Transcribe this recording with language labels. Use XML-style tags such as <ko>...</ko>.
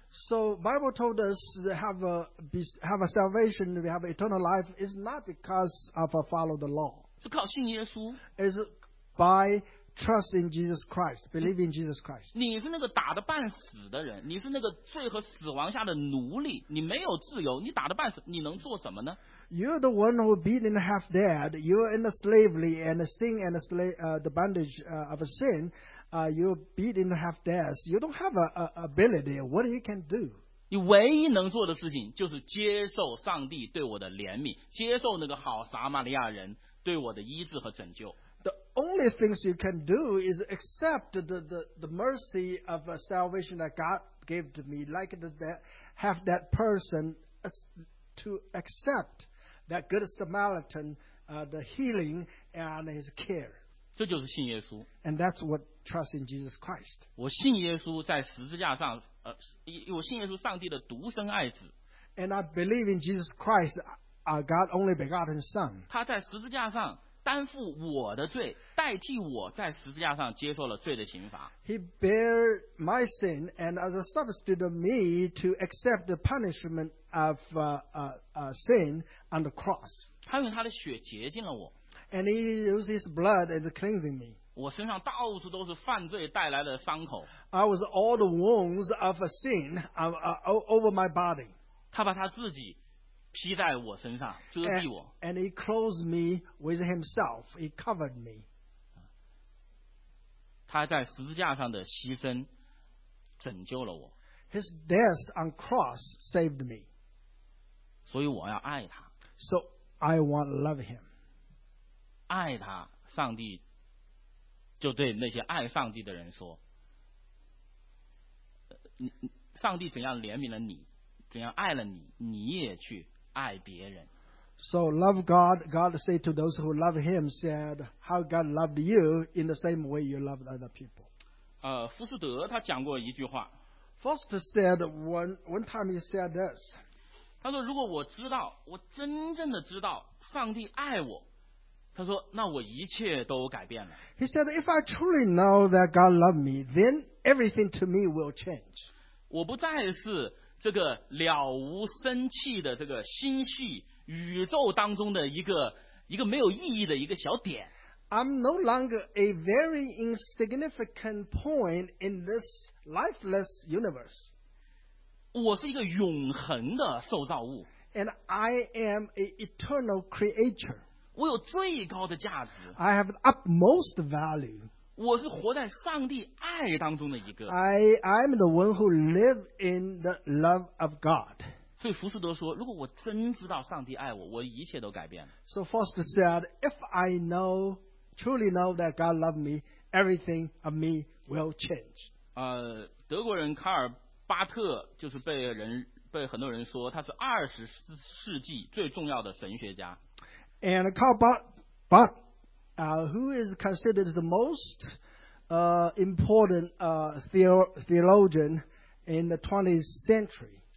<en>So Bible told us have a salvation, we have eternal life is not because of follow the law.</en> <zh>是靠信耶稣。</zh> <en>Is by Trust in Jesus Christ, believe in Jesus Christ.</en> <zh>你是那个打得半死的人，你是那个罪和死亡下的奴隶，你没有自由，你打得半死，你能做什么呢？</zh> <en>You're the one who beaten half dead. You're in the slavery and the sin and the bondage of sin. You're beaten half dead. You don't have a ability. What you can do?</en> <zh>你唯一能做的事情就是接受上帝对我的怜悯，接受那个好撒玛利亚人对我的医治和拯救。</zh> <en>The only things you can do is accept the mercy of a salvation that God gave to me, like that, have that person to accept that good Samaritan, the healing and his care.</en> <zh>这就是信耶稣。</zh> <en>And that's what trust in Jesus Christ.</en> <zh>我信耶稣在十字架上，我信耶稣上帝的独生爱子。</zh> <en>And I believe in Jesus Christ, our God only begotten Son.</en> <zh>他在十字架上担负我的罪，代替我在十字架上接受了罪的刑罚。</zh> <en>He bear my sin and as a substitute of me to accept the punishment of sin on the cross.</en> <zh>他用他的血洁净了我。</zh> <en>And he used his blood as cleansing me.</en> <zh>我身上到处都是犯罪带来的伤口。</zh> <en>I was all the wounds of a sin over my body.</en> <zh>他把他自己披在我身上，遮蔽我。</zh> <en>And he clothed me with himself. He covered me.</en> <zh>他在十字架上的牺牲拯救了我。</zh> <en>His death on cross saved me.</en> <zh>所以我要爱他。</zh> <en>So I want to love him.</en> <zh>爱他，上帝就对那些爱上帝的人说，上帝怎样怜悯了你，怎样爱了你，你也去爱别人。</zh> <en>So love God, God said to those who love him, said how God loved you in the same way you loved other people.</en> <zh>福斯德他讲过一句话。</zh> <en>Foster said one time he said this.</en> <zh>他说如果我知道，我真正的知道上帝爱我，他说那我一切都改变了。</zh> <en>He said if I truly know that God loved me, then everything to me will change.</en> <zh>我不再是这个了无生气的这个心绪宇宙当中的一个没有意义的一个小点。</zh> <en>I'm no longer a very insignificant point in this lifeless universe.</en> <zh>我是一个永恒的受造物。</zh> <en>And I am an eternal creature.</en> <zh>我有最高的价值。</zh> <en>I have utmost value.</en> <zh>我是活在上帝爱当中的一个。</zh> <en>I'm the one who live in the love of God.</en> <zh>所以福斯德说，如果我真知道上帝爱我，我一切都改变了。</zh> <en>So Foster said, if I know, truly know that God loved me, everything of me will change.</en> <zh>德国人卡尔巴特就是被很多人说他是二十世纪最重要的神学家。</zh> <en>And Karl Barth, who is considered the most important theologian in the 20th century.</en>